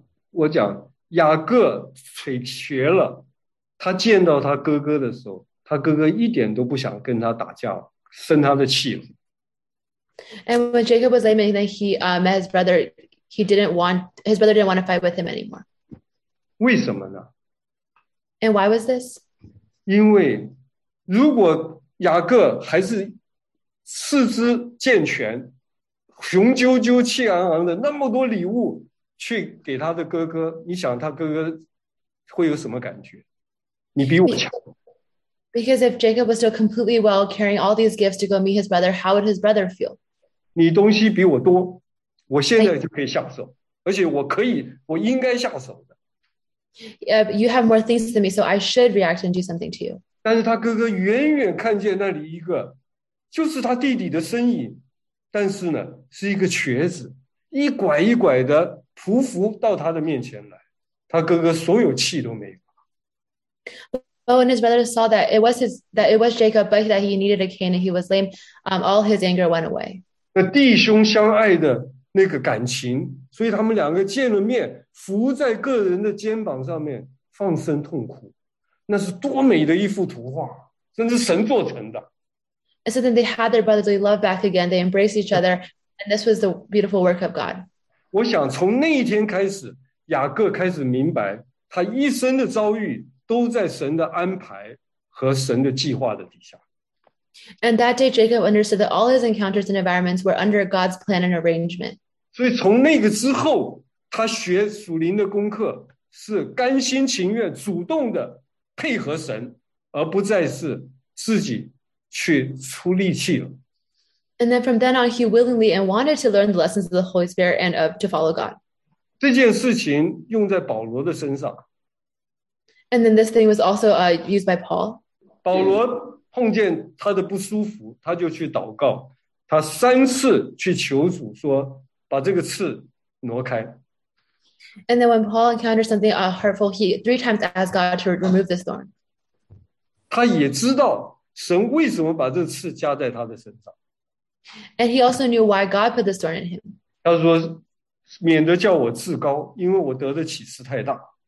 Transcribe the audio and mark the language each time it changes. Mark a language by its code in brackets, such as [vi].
[zh] 我讲，雅各腿瘸了，他见到他哥哥的时候，他哥哥一点都不想跟他打架，生他的气了。 [en] And when Jacob was lame, then he met his brother. His brother didn't want to fight with him anymore. [zh] 为什么呢？ [en] And why was this? [zh] 因为如果雅各还是四肢健全，雄赳赳气昂昂的，那么多礼物去给他的哥哥，你想他哥哥会有什么感觉？你比我强。 [en] Because if Jacob was still completely well, carrying all these gifts to go meet his brother, how would his brother feel? [zh] 你东西比我多，我现在就可以下手，而且我应该下手。 [en] Yeah, you have more things than me, so I should react and do something to you. [zh] 但是他哥哥远远看见那里一个，就是他弟弟的身影，但是呢，是一个瘸子，一拐一拐的匍匐到他的面前来，他哥哥所有气都没有。 [en] Oh, and his brother saw that it was Jacob, but that he needed a cane and he was lame. All his anger went away. [zh] 那弟兄相爱的那个感情，所以他们两个见了面，扶在个人的肩膀上面，放声痛哭，那是多美的一幅图画，真是神做成的。 [en] And so then they had their brotherly love back again. They embraced each other, and this was the beautiful work of God. [zh] 我想从那一天开始，雅各开始明白，他一生的遭遇都在神的安排和神的计划的底下。 [en] And that day, Jacob understood that all his encounters and environments were under God's plan and arrangement. [zh] 所以从那个之后，他学属灵的功课是甘心情愿、主动的配合神，而不再是自己去出力气了。 [en] And then from then on, he willingly and wanted to learn the lessons of the Holy Spirit and of to follow God. [zh] 这件事情用在保罗的身上。 [en] And then this thing was also used by Paul. [zh] 保罗碰见他的不舒服，他就去祷告，他三次去求主说，把这个刺挪开。 [en] And then when Paul encountered something hurtful, he three times asked God to remove this thorn. [zh] 他也知道神为什么把这刺加在他的身上。 [en] And he also knew why God put this thorn in him. [zh] 他说，免得叫我自高，因为我得的启示太大。